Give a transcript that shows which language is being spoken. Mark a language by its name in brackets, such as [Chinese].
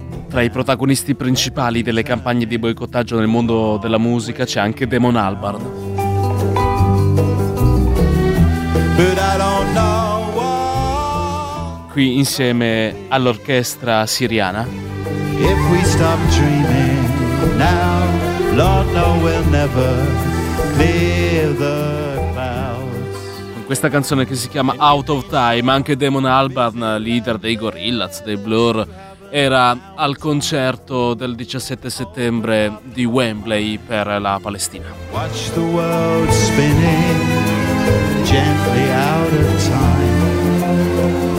[Italian] Tra i protagonisti principali delle campagne di boicottaggio nel mondo della musica c'è anche Damon Albarn. Qui insieme all'orchestra siriana. [English] If we stop dreaming now, Lord, no, we'll never clear the clouds. [Italian] Con questa canzone che si chiama Out of Time, anche Damon Albarn, leader dei Gorillaz, dei Blur, era al concerto del 17 settembre di Wembley per la Palestina. [English] Watch the world spinning gently out of time.